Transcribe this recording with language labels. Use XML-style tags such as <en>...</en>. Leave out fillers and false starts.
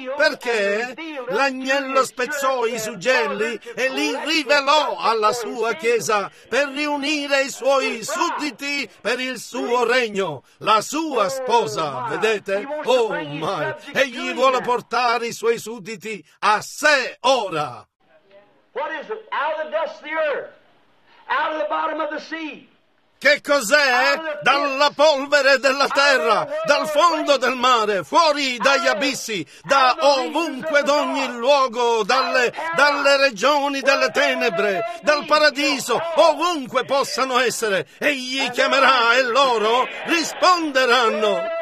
<it>Perché l'agnello spezzò i suggelli e li rivelò alla sua Chiesa per riunire i suoi sudditi per il suo regno, la sua sposa, vedete? Oh, ma egli vuole portare i suoi sudditi a sé ora.</it> <en>What is it? Out of the dust of the earth, out of the bottom of the sea.</en> <it>Che cos'è? Dalla polvere della terra, dal fondo del mare, fuori dagli abissi, da ovunque, da ogni luogo, dalle regioni delle tenebre, dal paradiso, ovunque possano essere, egli chiamerà e loro risponderanno.</it>